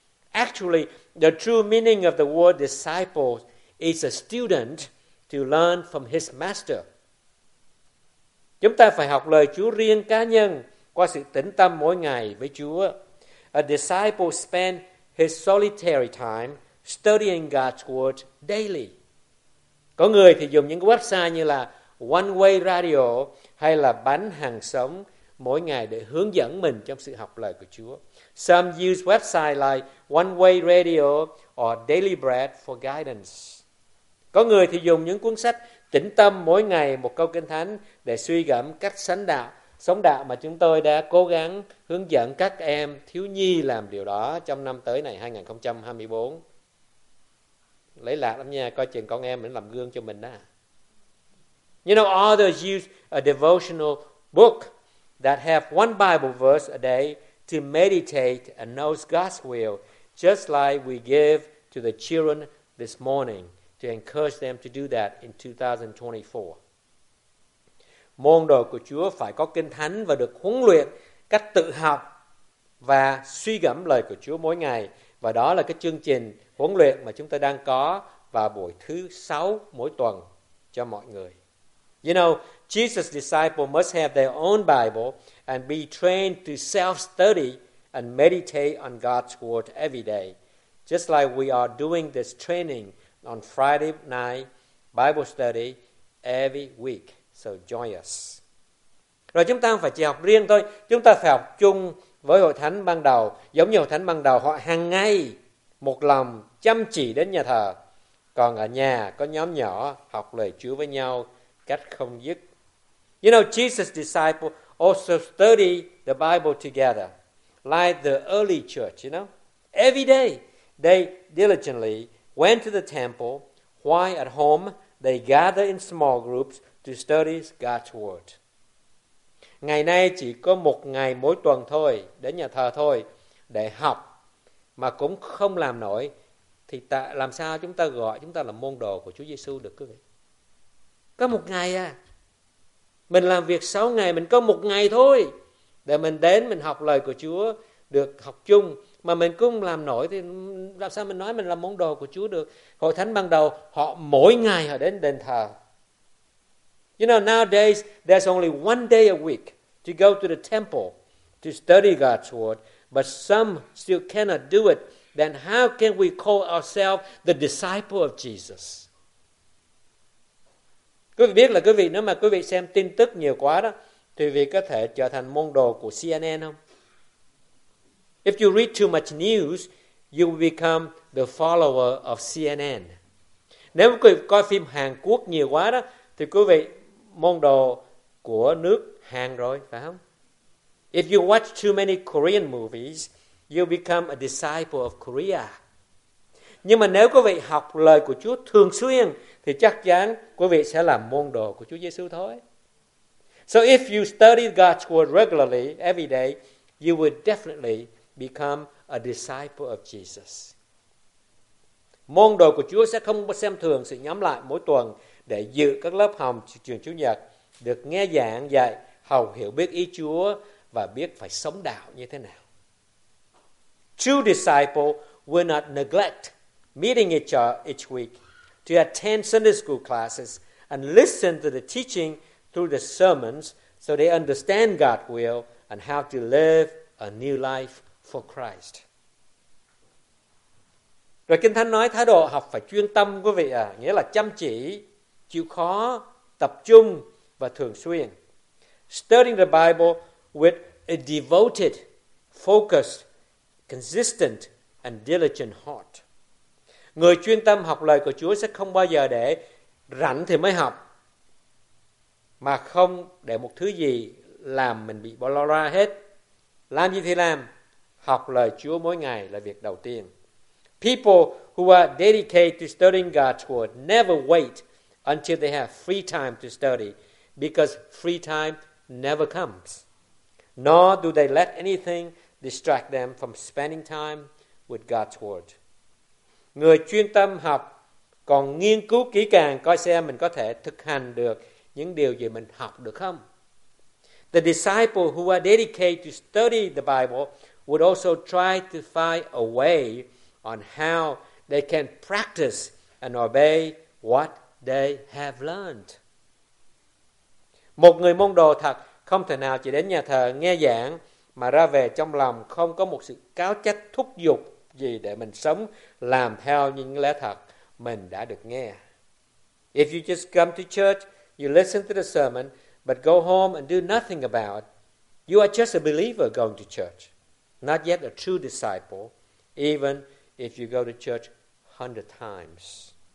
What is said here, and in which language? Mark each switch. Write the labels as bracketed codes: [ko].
[en] Actually, the true meaning of the word disciple is a student to learn from his master. [vi] Chúng ta phải học lời Chúa riêng cá nhân qua sự tĩnh tâm mỗi ngày với Chúa. [en] A disciple spends his solitary time studying God's word daily. [vi] Có người thì dùng những website như là One Way Radio hay là Bánh Hàng Sống mỗi ngày để hướng dẫn mình trong sự học lời của Chúa. [en] Some use website like One Way Radio or Daily Bread for guidance. [vi] Có người thì dùng những cuốn sách tĩnh tâm mỗi ngày một câu kinh thánh để suy gẫm cách sống đạo. Sống đạo mà chúng tôi đã cố gắng hướng dẫn các em thiếu nhi làm điều đó trong năm tới này 2024. Lấy lạc lắm nha, coi chừng con em mình làm gương cho mình đó. [en] You know, others use a devotional book that have one Bible verse a day to meditate and know God's will, just like we give to the children this morning. to encourage them to do that in 2024. [vi] Môn đồ của Chúa phải có Kinh Thánh và được huấn luyện cách tự học và suy gẫm lời của Chúa mỗi ngày. Và đó là cái chương trình huấn luyện mà chúng ta đang có vào buổi thứ sáu mỗi tuần cho mọi người. [en] You know, Jesus' disciples must have their own Bible and be trained to self-study and meditate on God's Word every day. Just like we are doing this training on Friday night Bible study every week. So join us. [vi] Rồi chúng ta không phải chỉ học riêng thôi. Chúng ta phải học chung với hội thánh ban đầu. Giống như hội thánh ban đầu, họ hàng ngày một lòng chăm chỉ đến nhà thờ. Còn ở nhà có nhóm nhỏ học lời Chúa với nhau cách không dứt. [en] You know, Jesus' disciples also study the Bible together, like the early church, you know. Every day, they diligently went to the temple, while at home, they gather in small groups to study God's Word. [vi] Ngày nay chỉ có một ngày mỗi tuần thôi, đến nhà thờ thôi, để học, mà cũng không làm nổi, thì làm sao chúng ta gọi chúng ta là môn đồ của Chúa Giê-xu được, quý vị? Có một ngày à, mình làm việc 6 ngày, mình có một ngày thôi để mình đến, mình học lời của Chúa, được học chung, mà mình cũng làm nổi thì làm sao mình nói mình là môn đồ của Chúa được. Hội thánh ban đầu, họ mỗi ngày họ đến đền thờ. [en] You know, nowadays, there's only one day a week to go to the temple to study God's word, but some still cannot do it. Then how can we call ourselves the disciple of Jesus? [vi] Quý vị biết là quý vị, nếu mà quý vị xem tin tức nhiều quá đó, thì quý vị có thể trở thành môn đồ của CNN không? [en] If you read too much news, you will become the follower of CNN. [vi] Nếu quý vị coi phim Hàn Quốc nhiều quá đó, thì quý vị môn đồ của nước Hàn rồi, phải không? [en] If you watch too many Korean movies, you become a disciple of Korea. [vi] Nhưng mà nếu quý vị học lời của Chúa thường xuyên, thì chắc chắn quý vị sẽ làm môn đồ của Chúa Giê-xu thôi. [en] So if you study God's word regularly, every day, you will definitely become a disciple of Jesus. [vi] Môn đồ của Chúa sẽ không xem thường sự nhóm lại mỗi tuần để dự các lớp học trường Chủ nhật, được nghe giảng dạy, hầu hiểu biết ý Chúa và biết phải sống đạo như thế nào. [en] True disciples will not neglect meeting each week to attend Sunday school classes and listen to the teaching through the sermons so they understand God's will and how to live a new life for Christ. [vi] Rồi Kinh Thánh nói thái độ học phải chuyên tâm, quý vị à, nghĩa là chăm chỉ, chịu khó, tập trung và thường xuyên. [en] Studying the Bible with a devoted, focused, consistent and diligent heart. [vi] Người chuyên tâm học lời của Chúa sẽ không bao giờ để rảnh thì mới học, mà không để một thứ gì làm mình bị bỏ lo ra hết. Làm gì thì làm, học lời Chúa mỗi ngày là việc đầu tiên. [en] People who are dedicated to studying God's word never wait until they have free time to study, because free time never comes. Nor do they let anything distract them from spending time with God's word. [vi] Người chuyên tâm học còn nghiên cứu kỹ càng coi xem mình có thể thực hành được những điều gì mình học được không. [en] The disciples who are dedicated to study the Bible would also try to find a way on how they can practice and obey what they have learned. [vi] Một người môn đồ thật không thể nào chỉ đến nhà thờ nghe giảng mà ra về trong lòng không có một sự cáo trách thúc giục gì để mình sống làm theo những lẽ thật mình đã được nghe. [en] If you just come to church, you listen to the sermon, but go home and do nothing about it, you are just a believer going to church, not yet a true disciple, even if you go to church 100 times.